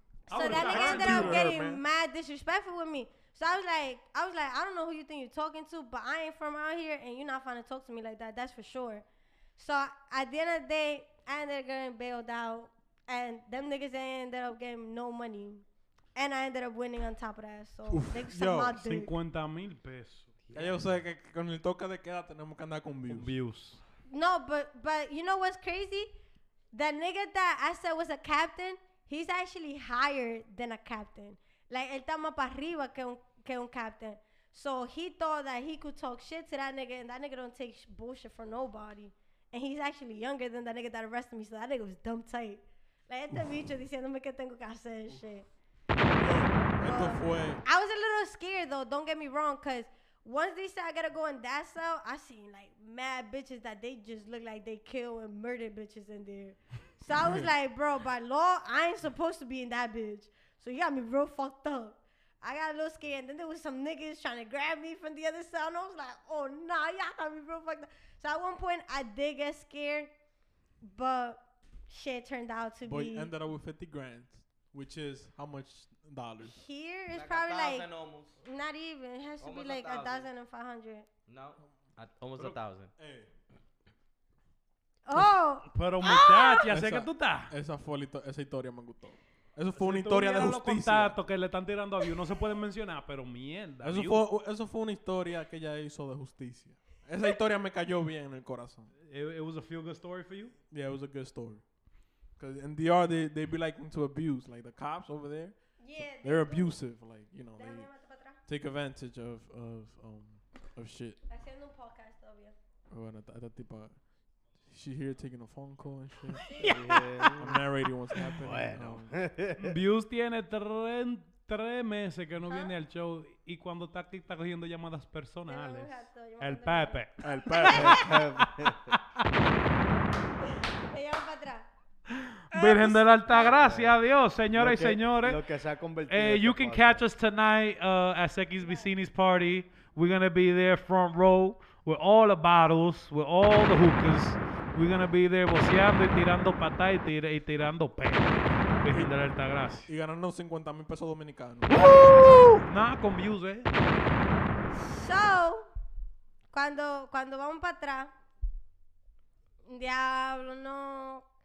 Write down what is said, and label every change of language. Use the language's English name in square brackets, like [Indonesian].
[English] so that nigga ended up getting mad disrespectful with me. So I was like, I don't know who you think you're talking to, but I ain't from out here and you're not finna talk to me like that. That's for sure. So at the end of the day, I ended up getting bailed out and them niggas ended up getting no money. And I ended up winning on top of that. So, [Spanish] yo, 50 mil pesos. Ya yo sé que con el toque de queda tenemos que andar con views. [English] No, but you know what's crazy? The nigga that I said was a captain, he's actually higher than a captain. [Spanish] Like, él está más para arriba que un captain. [English] So, he thought that he could talk shit to that nigga, and that nigga don't take bullshit from nobody. And he's actually younger than that nigga that arrested me, so that nigga was dumb tight. [Spanish] Like, este bicho diciéndome que tengo que hacer and shit. [English] I was a little scared, though, don't get me wrong, because once they said I gotta go in that cell, I seen, like, mad bitches that they just look like they kill and murder bitches in there. So, I was like, bro, by law, I ain't supposed to be in that bitch. So you got me real fucked up. I got a little scared. And then there was some niggas trying to grab me from the other side. And I was like, oh, nah, y'all got me real fucked up. So at one point, I did get scared. But shit turned out to Boy, ended up with 50 grand, which is how much dollars? Here is like probably like, almost. Not even. It has almost to be like 1,500. No, almost 1,000. Hey. Oh! [Spanish] Pero muchacha, sé que tú estás. Esa historia me gustó. Eso fue una historia de justicia. Los contactos que le están tirando a View no se pueden mencionar, pero mierda. Eso fue una historia que ella hizo de justicia. Esa historia me cayó bien en el corazón. [English] It was a feel good story for you? Yeah, it was a good story. Because in DR, they be like into abuse. Like the cops over there, they're abusive. Like, you know, they take advantage of shit. [Spanish] Haciendo un podcast, obvio. Bueno, esta tipa. [English] She here taking a phone call and shit. Yeah. I'm narrating what's happening. [Spanish] Bueno. Views tiene 3 meses que no viene al show y cuando está aquí está cogiendo llamadas personales. El Pepe. El Pepe. Te llamo para atrás. Virgen de la Altagracia, adiós, señoras y señores. Lo que se ha convertido. [English] You can catch us tonight at Seki's Vicini's party. We're going to be there front row with all the bottles, with all the hookers. We're going to be there boceando y tirando pata y tirando pelo. [Spanish] Virgen de la Altagracia. Y ganando 50 mil pesos dominicanos. Nada con views, ¿eh? So, cuando vamos para atrás, diablo, no.